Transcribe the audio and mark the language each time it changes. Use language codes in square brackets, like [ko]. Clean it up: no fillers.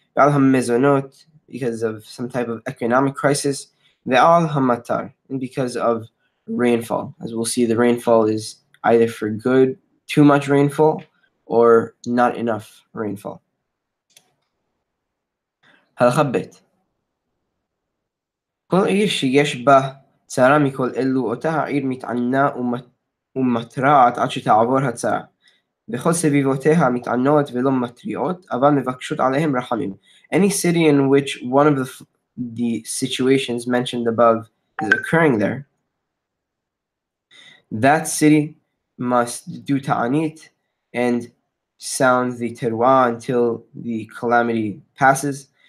[he] Ve'al ha'mezonot, [en] because of some type of economic crisis. [he] Ve'al ha'matar, [en] and because of rainfall. As we'll see, the rainfall is either for good, too much rainfall, or not enough rainfall. [he] Halacha bet. כל עיר שיש בה צרה מכל אלו, אותה העיר מתענה ומתרעת עד שתעבור הצרה. וכל סביבותיה מתענות ולא מתריעות, אבל מבקשות עליהם רחמים. [en] Any city in which one of the situations mentioned above is occurring there, that city must do ta'anit and sound the teruah until the calamity passes.